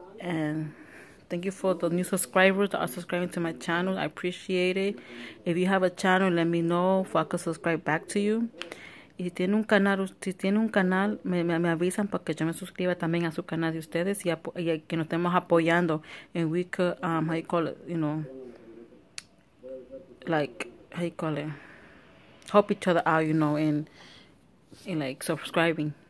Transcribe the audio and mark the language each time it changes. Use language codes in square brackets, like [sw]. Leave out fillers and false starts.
[en] And thank you for the new subscribers that are subscribing to my channel. I appreciate it. If you have a channel, let me know if I can subscribe back to you. [es] Y si tiene un canal, me avisan para que yo me suscriba también a su canal de ustedes y que nos estemos apoyando. [en] And we could, how you call it, you know, like, how you call it, help each other out, you know, and like subscribing.